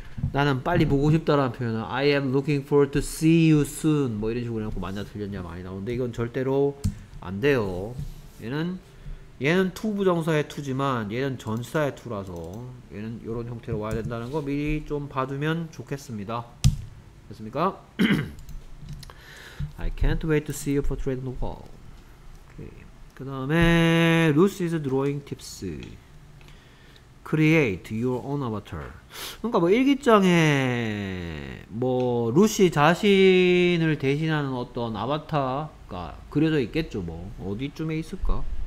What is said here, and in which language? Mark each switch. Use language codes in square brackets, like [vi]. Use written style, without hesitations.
[ko] 나는 빨리 보고 싶다라는 표현은 [en] I am looking forward to see you soon [ko] 뭐 이런 식으로 해놓고 맞냐 틀렸냐 많이 나오는데 이건 절대로 안 돼요. 얘는 to 부정사의 to지만 얘는 전사의 to라서 얘는 이런 형태로 와야 된다는 거 미리 좀 봐두면 좋겠습니다. 됐습니까? [en] I can't wait to see your portrait on the wall. [ko] 그 다음에 [en] 루시's drawing tips create your own avatar [ko] 그러니까 뭐 일기장에 뭐 루시 자신을 대신하는 어떤 아바타가 그려져 있겠죠 뭐 어디쯤에 있을까